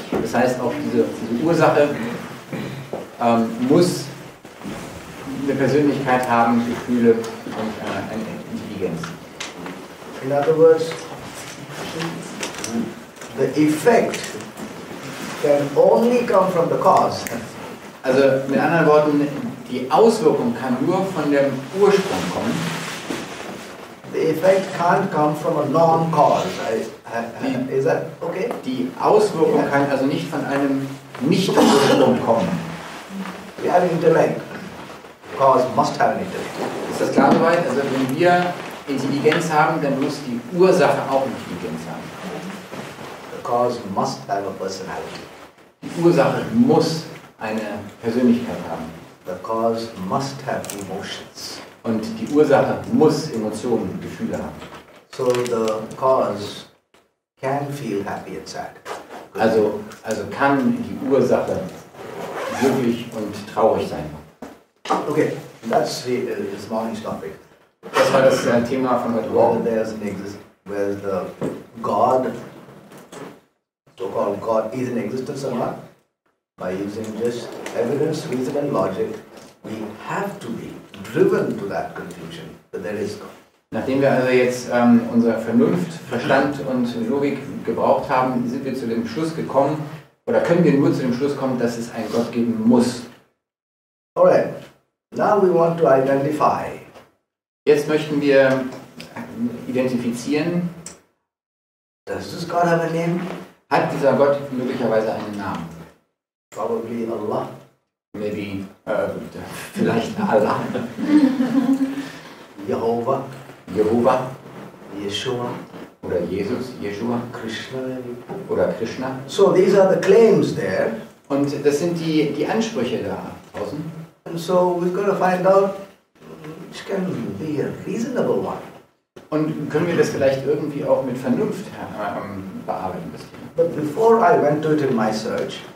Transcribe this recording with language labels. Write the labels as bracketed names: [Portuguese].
[German] Das heißt, auch diese Ursache muss eine Persönlichkeit haben, Gefühle und eine Intelligenz. [English] In other words, the effect can only come from the cause. [German] Also mit anderen Worten, die Auswirkung kann nur von dem Ursprung kommen. [English] The effect can't come from a non-cause. Is that okay? [German] Die Auswirkung kann also nicht von einem Nicht-Ursprung kommen. [English] We have intellect. Cause must have an intellect. [German] Ist das klar soweit? Also wenn wir Intelligenz haben, dann muss die Ursache auch Intelligenz haben. [English] The cause must have a personality. [German] Die Ursache muss eine Persönlichkeit haben. [English] The cause must have emotions. [German] Und die Ursache muss Emotionen, Gefühle haben. [English] So the cause can feel happy and sad. [German] Also kann die Ursache glücklich und traurig sein. [English] Okay, that's this morning's topic. [German] Das war das Thema von heute Morgen. [English] There's an existence, where the God, so-called God, is in existence or not? By using just evidence, reason and logic, we have to be driven to that conclusion that there is God. [German] Nachdem wir also jetzt unsere Vernunft, Verstand und Logik gebraucht haben, sind wir zu dem Schluss gekommen, oder können wir nur zu dem Schluss kommen, dass es einen Gott geben muss. [English] Alright, now we want to identify. [German] Jetzt möchten wir identifizieren. [English] Does this God have a name? [German] Hat dieser Gott möglicherweise einen Namen? [English] Probably Allah. Maybe, [German] vielleicht Allah. [English] Jehovah. Yeshua. [German] Oder Jesus, Yeshua. [English] Krishna. [German] Oder Krishna. [English] So, these are the claims there. [German] Und das sind die Ansprüche da draußen. [English] And so, we've got to find out which can be a reasonable one. [German] Und können wir das vielleicht irgendwie auch mit Vernunft bearbeiten? [English] But before I went to it in my search.